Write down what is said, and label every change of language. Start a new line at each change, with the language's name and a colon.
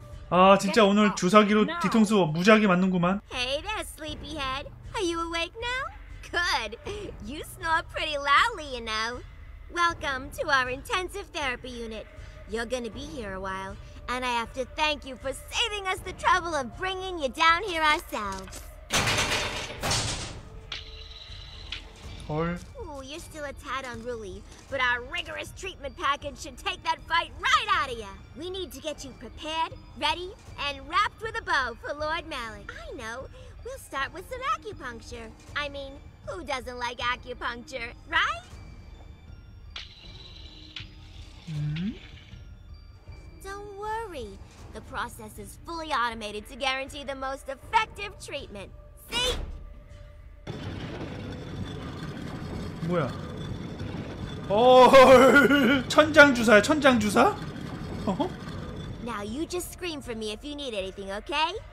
Korean: 아, 진짜 오늘 주사기로 뒤통수 무지하게 맞는구만.
English: Hey there, sleepyhead. Are you awake now? Good. You snore pretty loudly, you know. Welcome to our intensive therapy unit. You're gonna be here a while, and I have to thank you for saving us the trouble of bringing you down here ourselves.
Korean: 헐.
English: Ooh, you're still a tad unruly, but our rigorous treatment package should take that fight right out of you. We need to get you prepared, ready, and wrapped with a bow for Lord Malik. I know. We'll start with some acupuncture. I mean, who doesn't like acupuncture, right? Mm-hmm. Don't worry. The process is fully automated to guarantee the most effective treatment. See?
Korean: 뭐야? 헐, 천장 주사야, 천장 주사? 어허?
English: Now you just scream for me if you need anything, okay?